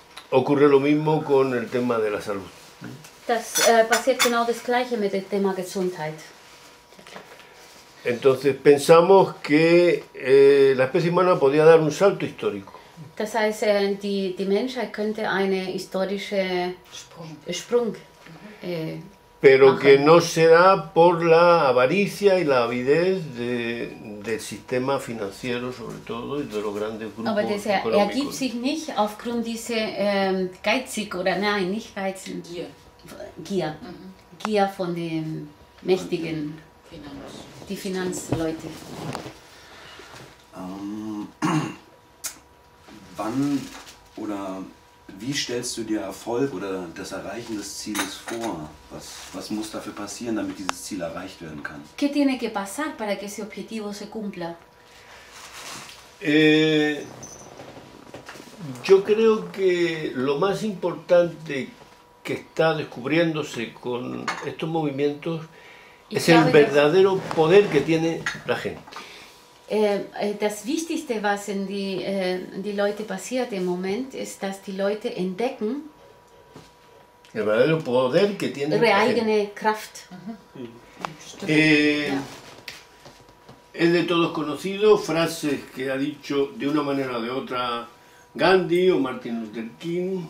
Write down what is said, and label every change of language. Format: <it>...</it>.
<es>Ocurre lo mismo con el tema de la salud.</es> <de>Das passiert genau das gleiche mit dem Thema Gesundheit.</de> <es>Entonces pensamos que la especie humana podía dar un salto histórico.</es> <de>Das heißt, die Menschheit könnte eine historische Sprung</de> <es>pero</es> <de>machen.</de> <es>Que no será por la avaricia y la avidez del sistema financiero, sobre todo, y de los grandes grupos económicos.</es> <de>Aber das ergibt sich nicht aufgrund dieser geizig oder nein, nicht geizig. Gier. Gier von den mächtigen Finanzen. Die Finanzleute. Wann oder Wie stellst du dir Erfolg oder das Erreichen des Zieles vor? Was muss dafür passieren, damit dieses Ziel erreicht werden kann?</de> <es>¿Qué tiene que pasar para que ese objetivo se cumpla? Yo creo que lo más importante que está descubriéndose con estos movimientos es el verdadero poder que tiene la gente.</es> <de>Das Wichtigste, was in die Leute passiert im Moment, ist, dass die Leute entdecken,</de> <es>el verdadero poder que tiene</es> <de>ihre eigene Kraft.</de> <es>Es de todos conocido frases que ha dicho de una manera o de otra Gandhi o Martin Luther King.</es>